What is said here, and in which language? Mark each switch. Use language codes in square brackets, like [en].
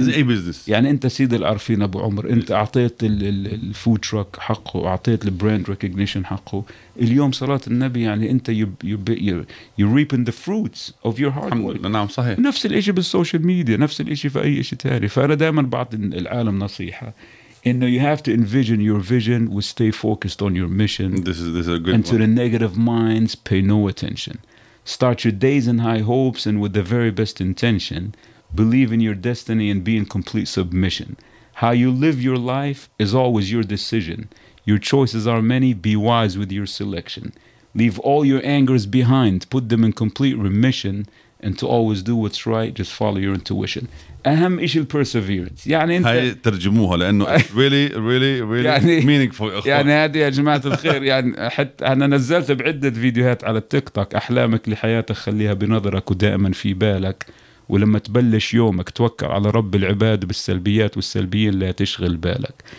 [ar] زي أي بيزنس، يعني أنت سيد العارفين أبو عمر، أنت أعطيت الفود تراك حقه، أعطيت البراند ريكوجنيشن حقه، اليوم صلاة النبي يعني أنت [en] you're reaping the fruits of your hard work. [ar] نعم صحيح، نفس الإشي بالسوشيال ميديا، نفس الإشي في أي إشي تاني. فأنا دائما بعض العالم نصيحة إنه [en] you have to envision your vision and stay focused on your mission. This is a good and one. And to the negative minds, pay no attention. Start your days in high hopes and with the very best intention. Believe in your destiny and be in complete submission. How you live your life is always your decision. Your choices are many. Be wise with your selection. Leave all your angers behind. Put them in complete remission. And to always do what's right, just follow your intuition. [ar] أهم إشي perseverance. يعني أنت هاي ترجموها لأنه [en] really really really [ar] يعني meaningful. يعني هذه يا جماعة الخير يعني حتى أنا نزلت بعدة فيديوهات على التيك توك، أحلامك لحياتك خليها بنظرك ودائما في بالك، ولما تبلش يومك توكل على رب العباد بالسلبيات والسلبيين لا تشغل بالك،